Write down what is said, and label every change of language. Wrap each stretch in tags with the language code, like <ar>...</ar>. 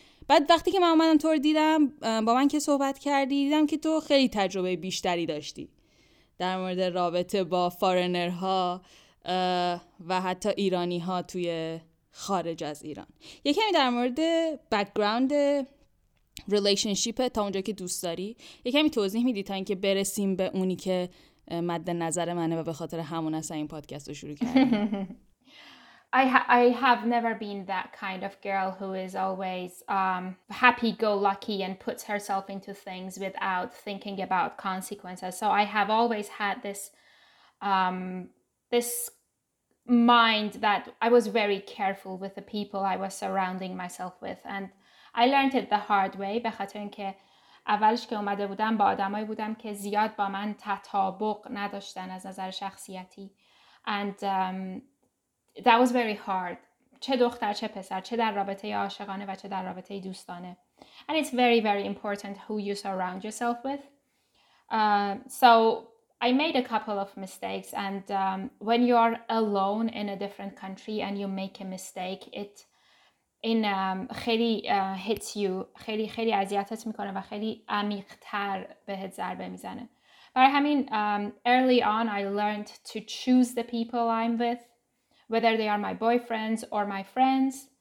<fa>بعد وقتی که من اومدم تو رو دیدم، با من که صحبت کردی، دیدم که تو خیلی تجربه بیشتری داشتی در مورد رابطه با فارنرها و حتی ایرانی ها توی خارج از ایران. یکمی در مورد بکگراند ریلیشنشیپ تا اونجا که دوست داری یکمی توضیح میدی تا اینکه برسیم به اونی که مد نظر منه و به خاطر همون اصلا این پادکست رو شروع کردیم.</fa> <en>I have never been that kind of girl who is always happy-go-lucky and puts herself into things without thinking about consequences. So I have always had this this mind that I was very careful with the people I was surrounding myself with. And I learned it the hard way.</en> <fa>به خاطر اینکه اولش که اومده بودم با آدمایی بودم که زیاد با من تطابق نداشتن از نظر شخصیتی.</fa> <en>And that was very hard.</en> <fa>چه دختر چه پسر، چه در رابطه عاشقانه و چه در رابطه دوستانه.</fa> <en>And it's very very important who you surround yourself with. So I made a couple of mistakes, and when you are alone in a different country and you make a mistake, it in خیلی hits you.</en> <fa>خیلی خیلی اذیتت میکنه و خیلی عمیق‌تر بهت ضربه میزنه. برای همین</fa> <en>early on I learned to choose the people I'm with, whether they are my boyfriends or my friends.</en>